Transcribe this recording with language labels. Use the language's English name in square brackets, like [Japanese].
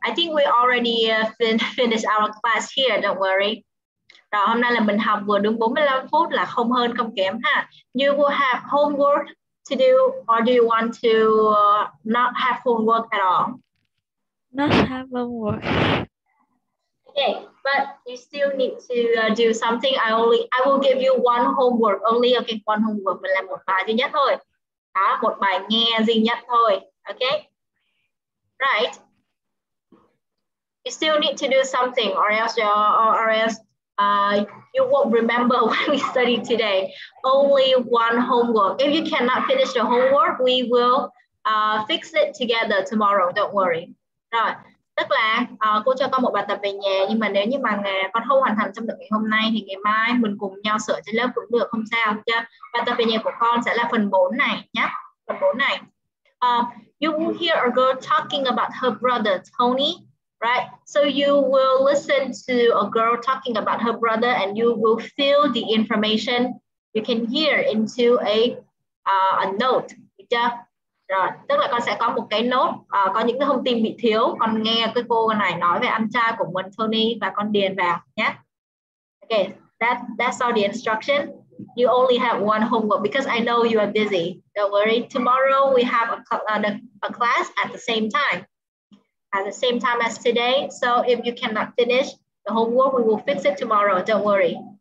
[English] I think we already finished our class here. Don't worry. [Vietnamese] Rồi, hôm nay là mình học vừa đúng 45 phút là không hơn không kém ha. [English] You will have homework to do, or do you want to not have homework at all? Not have homework. Okay, but you still need to do something. I will give you one homework only. Okay, one homework. [Vietnamese] Mình làm một bài duy nhất thôi. Đó, một bài nghe duy nhất thôi. [English] Okay? Right. You still need to do something or else you won't remember what we studied today. Only one homework. If you cannot finish the homework, we will fix it together tomorrow. Don't worry. Rồi. [Vietnamese] Tức là cô cho con một bài tập về nhà, nhưng mà nếu như mà con không hoàn thành trong được ngày hôm nay thì ngày mai mình cùng nhau sửa trên lớp cũng được, không sao chứ. Bài tập về nhà của con sẽ là phần 4 này nhé. Phần 4 này. [English] You will hear a girl talking about her brother Tony, right? So you will listen to a girl talking about her brother and you will fill the information you can hear into a note, [Vietnamese] được chưa? Rồi, tức là con sẽ có một cái nốt, có những cái thông tin bị thiếu. Con nghe cái cô này nói về anh trai của mình, Tony, và con điền vào nhé. [English] Ok, that's all the instruction. You only have one homework because I know you are busy. Don't worry. Tomorrow we have a class at the same time. At the same time as today. So if you cannot finish the homework, we will fix it tomorrow. Don't worry.